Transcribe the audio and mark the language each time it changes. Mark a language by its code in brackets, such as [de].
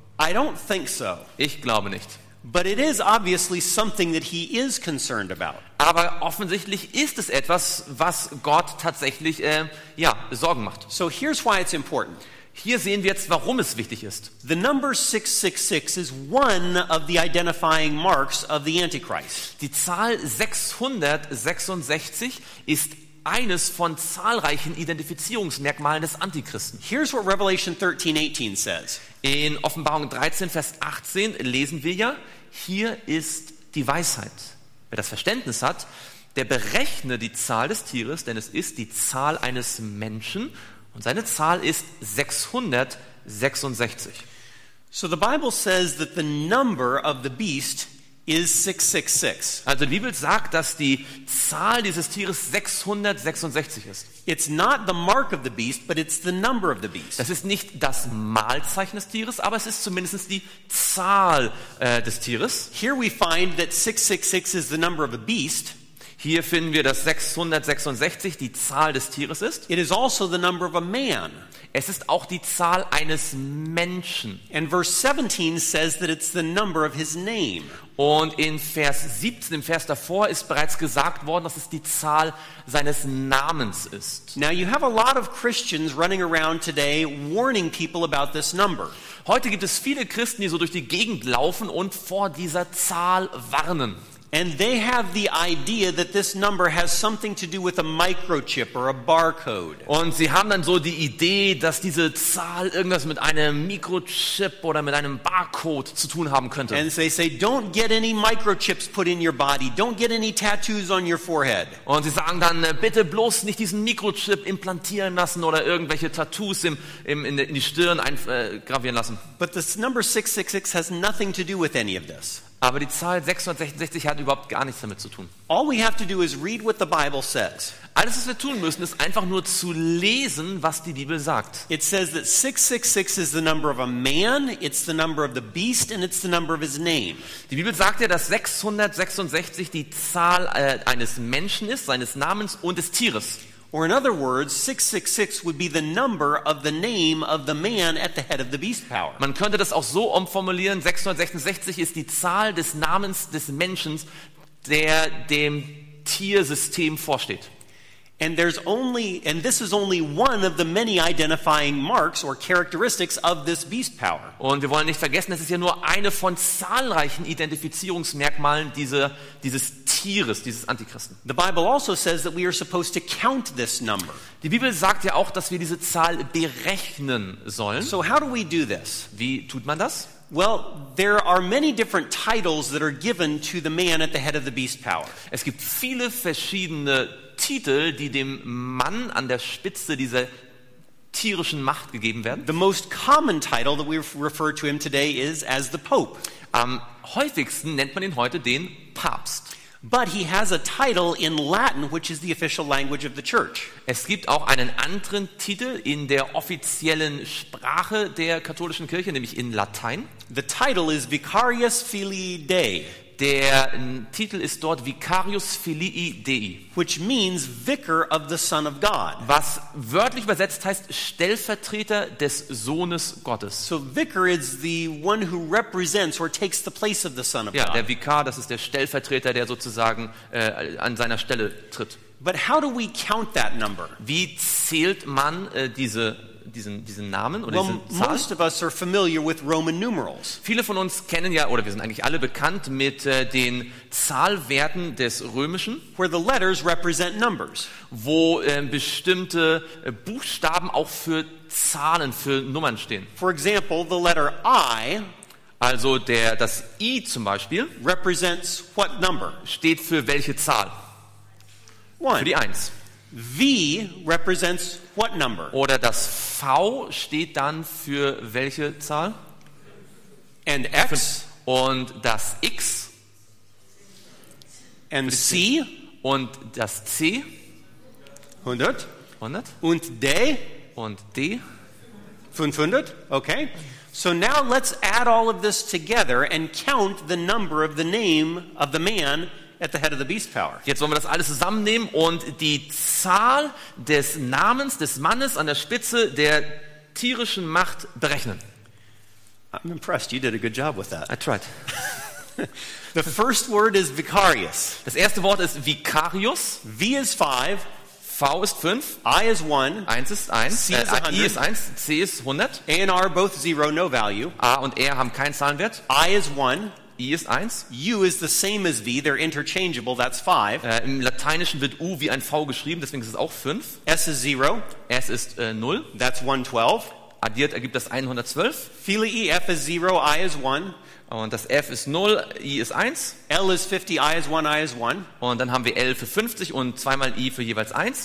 [en] I don't think so. [de] Ich glaube nicht. [en] But it is obviously something that he is concerned about. [de] Aber offensichtlich ist es etwas, was Gott tatsächlich Sorgen macht. [en] So here's why it's important. [de] Hier sehen wir jetzt, warum es wichtig ist. [en] The number 666 is one of the identifying marks of the Antichrist. [de] Die Zahl 666 ist eines von zahlreichen Identifizierungsmerkmalen des Antichristen. [en] Here's what Revelation 13, 18 says. [de] In Offenbarung 13, Vers 18 lesen wir ja, hier ist die Weisheit. Wer das Verständnis hat, der berechne die Zahl des Tieres, denn es ist die Zahl eines Menschen und seine Zahl ist 666. [en] So the Bible says that the number of the beast is 666. [de] Also die Bibel sagt, dass die Zahl dieses Tieres 666 ist. [en] It's not the mark of the beast, but it's the number of the beast. [de] Das ist nicht das Malzeichen des Tieres, aber es ist zumindest die Zahl des Tieres. [en] Here we find that 666 is the number of a beast. [de] Hier finden wir, dass 666 die Zahl des Tieres ist. [en] It is also the number of a man. [de] Es ist auch die Zahl eines Menschen. [en] And verse 17 says that it's the number of his name. [de] Und in Vers 17, im Vers davor, ist bereits gesagt worden, dass es die Zahl seines Namens ist. [en] Now you have a lot of Christians running around today warning people about this number. [de] Heute gibt es viele Christen, die so durch die Gegend laufen und vor dieser Zahl warnen. [en] And they have the idea that this number has something to do with a microchip or a barcode. [de] Und sie haben dann so die Idee, dass diese Zahl irgendwas mit einem Mikrochip oder mit einem Barcode zu tun haben könnte. [en] And they say, don't get any microchips put in your body. Don't get any tattoos on your forehead. [de] Und sie sagen dann, bitte bloß nicht diesen Mikrochip implantieren lassen oder irgendwelche Tattoos in die Stirn eingravieren lassen. [en] But this number 666 has nothing to do with any of this. [de] Aber die Zahl 666 hat überhaupt gar nichts damit zu tun. [en] All we have to do is read what the Bible says. [de] Alles, was wir tun müssen, ist einfach nur zu lesen, was die Bibel sagt. [en] It says that 666 is the number of a man, it's the number of the beast, and it's the number of his name. [de] Die Bibel sagt ja, dass 666 die Zahl eines Menschen ist, seines Namens und des Tieres. [en] Or in other words, 666 would be the number of the name of the man at the head of the beast power. [de] Man könnte das auch so umformulieren, 666 ist die Zahl des Namens des Menschen, der dem Tiersystem vorsteht. [en] And this is only one of the many identifying marks or characteristics of this beast power. [de] Und wir wollen nicht vergessen, es ist ja nur eine von zahlreichen Identifizierungsmerkmalen dieses Tieres, dieses Antichristen. [en] The Bible also says that we are supposed to count this number. [de] Die Bibel sagt ja auch, dass wir diese Zahl berechnen sollen. [en] So how do we do this? [de] Wie tut man das? [en] Well, there are many different titles that are given to the man at the head of the beast power. [de] Es gibt viele verschiedene Titel, die dem Mann an der Spitze dieser tierischen Macht gegeben werden. [en] The most common title that we refer to him today is as the Pope. [de] Am häufigsten nennt man ihn heute den Papst. [en] But he has a title in Latin, which is the official language of the church. [de] Es gibt auch einen anderen Titel in der offiziellen Sprache der katholischen Kirche, nämlich in Latein. [en] The title is Vicarius Filii Dei. [de] Der Titel ist dort Vicarius Filii Dei, [en] which means vicar of the Son of God. [de] Was wörtlich übersetzt heißt Stellvertreter des Sohnes Gottes. [en] So vicar is the one who represents or takes the place of the Son of [de] ja, [en] God. [de] Ja, der Vikar, das ist der Stellvertreter, der sozusagen an seiner Stelle tritt. [en] But how do we count that number? [de] Wie zählt man diesen Namen oder diese Zahl? [en] Well, most of us are familiar with Roman numerals. [de] Viele von uns kennen ja, oder wir sind eigentlich alle bekannt mit den Zahlwerten des Römischen, [en] where the letters represent numbers. [de] Wo bestimmte Buchstaben auch für Zahlen, für Nummern stehen. [en] For example, the letter I, [de] also das I zum Beispiel, [en] represents what number? [de] Steht für welche Zahl? [en] One. [de] Für die 1. [en] V represents what number? [de] Oder das V steht dann für welche Zahl? [en] And X. [de] Und das X. [en] And C. [de] Und das C. [en] 100. [de] 100. Und D. Und D. [en] 500. Okay. So now let's add all of this together and count the number of the name of the man at the head of the beast power. [de] Jetzt wollen wir das alles zusammennehmen und die Zahl des Namens des Mannes an der Spitze der tierischen Macht berechnen. [en] I'm impressed. You did a good job with that. I tried. The first word is Vicarius. [de] Das erste Wort ist Vicarius. [en] V is 5. [de] V ist 5, [en] I is 1, [de] 1 ist 1, [en] C is 100, [de] I ist 1, C ist 100, [en] A and R both 0, no value, [de] A und R haben keinen Zahlenwert, [en] I is 1, [de] I ist 1, [en] U is the same as V, they're interchangeable, that's 5, [de] im Lateinischen wird U wie ein V geschrieben, deswegen ist es auch 5, [en] S is 0, [de] S ist 0, [en] that's 112, [de] addiert ergibt das 112, [en] Philae F is 0, I is 1, [de] und das F ist 0, I ist 1. [en] L is 50, I is 1, I is 1. [de] Und dann haben wir L für 50 und zweimal I für jeweils 1.